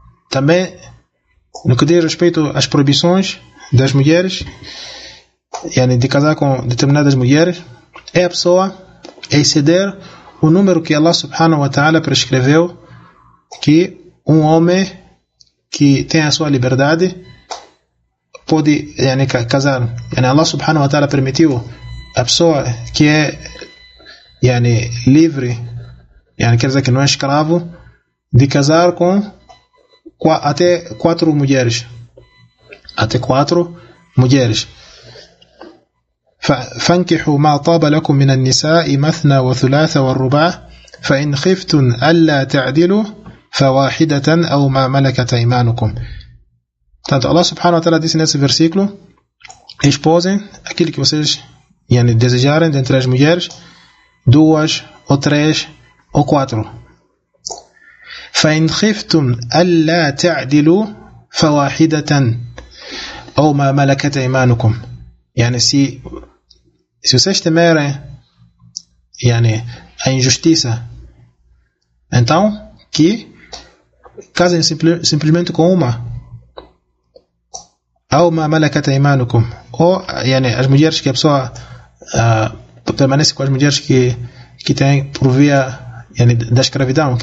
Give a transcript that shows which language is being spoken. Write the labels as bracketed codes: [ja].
[pt] Também, no que diz respeito às proibições das mulheres, yani de casar com determinadas mulheres, é a pessoa exceder o número que Allah subhanahu wa ta'ala prescreveu, que um homem que tem a sua liberdade pode yani casar. Yani Allah subhanahu wa ta'ala permitiu a pessoa que é yani livre, yani quer dizer que não é escravo, de casar com até quatro mulheres. Até quatro mulheres. [ar] فانكحوا ما طاب لكم من النساء مثنى وثلاث والرباع فإن خفتم ألا تعدلوا فواحدة أو ما ملكت أيمانكم. [pt] Portanto, Allah subhanahu wa ta'ala disse nesse versículo: esposem aquilo que vocês yani desejarem dentre as mulheres, duas ou três ou quatro. [ar] فإن خفتم ألا تعدلوا فواحدة أو ما ملكت أيمانكم. [pt] Yani, se vocês temerem yani a injustiça, então que casem simplesmente com uma, ou uma [ar] malakat aymanukum, [pt] ou yani as mulheres que a pessoa permanece com as mulheres que tem por via yani da escravidão.